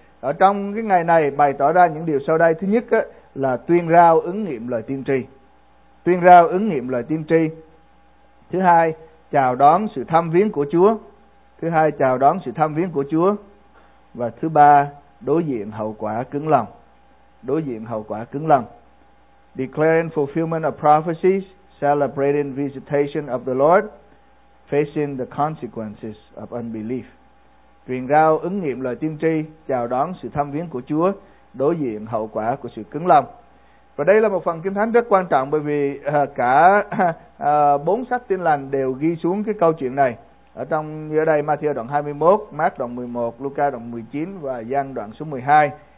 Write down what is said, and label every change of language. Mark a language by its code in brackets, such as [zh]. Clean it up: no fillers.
[vi] Ở trong cái ngày này bày tỏ ra những điều sau đây. Thứ nhất á, là tuyên rao ứng nghiệm lời tiên tri. Tuyên rao ứng nghiệm lời tiên tri. Thứ hai, chào đón sự thăm viếng của Chúa. Thứ hai, chào đón sự thăm viếng của Chúa. Và thứ ba, đối diện hậu quả cứng lòng. Đối diện hậu quả cứng lòng. [en] Declaring fulfillment of prophecies, celebrating visitation of the Lord, facing the consequences of unbelief. [vi] Truyền rao ứng nghiệm lời tiên tri, chào đón sự thăm viếng của Chúa, đối diện hậu quả của sự cứng lòng. Và đây là một phần kinh thánh rất quan trọng, bởi vì cả bốn sách tin lành đều ghi xuống cái câu chuyện này. Ở trong ở đây Matthew đoạn 21, Mark đoạn 11, Luca đoạn 19 và Giăng đoạn số 12.